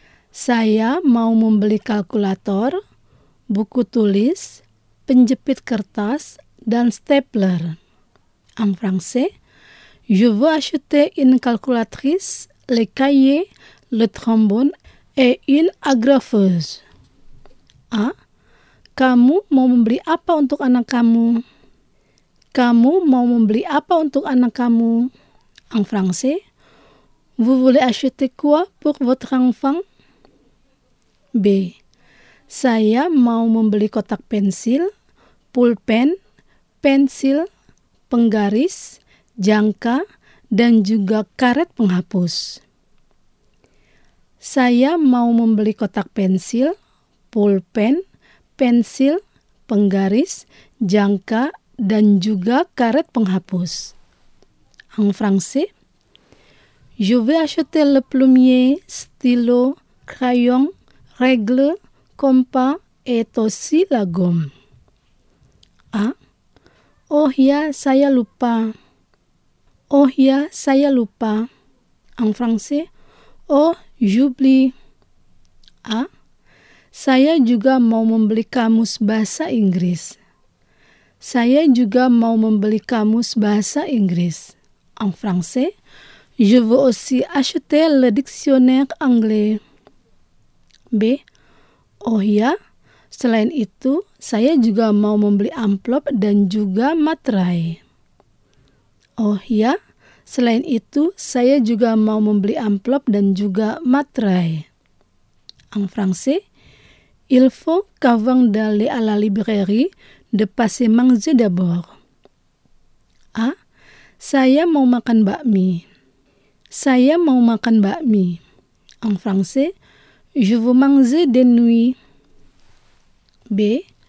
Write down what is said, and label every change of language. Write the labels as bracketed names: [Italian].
[Indonesian] Saya mau membeli kalkulator, buku tulis, penjepit kertas, dan stapler. [French] En français, je veux acheter une calculatrice, les cahiers, le trombone, et une agrafeuse. A. [Indonesian] Kamu mau membeli apa untuk anak kamu? Kamu mau membeli apa untuk anak kamu? [French] En français, vous voulez acheter quoi pour votre enfant? [Indonesian] B. Saya mau membeli kotak pensil, pulpen, pensil, penggaris, jangka, dan juga karet penghapus. Saya mau membeli kotak pensil, pulpen, pensil, penggaris, jangka, dan juga karet penghapus. [French] En français, je veux acheter le plumier, stylo, crayon, règle, compas et aussi la gomme. [Indonesian] A. Oh ya, saya lupa. Oh ya, saya lupa. [French] En français, oh, j'oublie. A. [Indonesian] Saya juga mau membeli kamus bahasa Inggris. Saya juga mau membeli kamus bahasa Inggris. [French] En français, je veux aussi acheter le dictionnaire anglais. B. [Indonesian] Oh ya, selain itu, saya juga mau membeli amplop dan juga materai. Oh ya, selain itu, saya juga mau membeli amplop dan juga materai. [French] En français, il faut qu'avant d'aller à la librairie, de passer manger d'abord. A. [Indonesian] Saya mau makan bakmi. Saya mau makan bakmi. [French] En français, je veux manger des nouilles. B.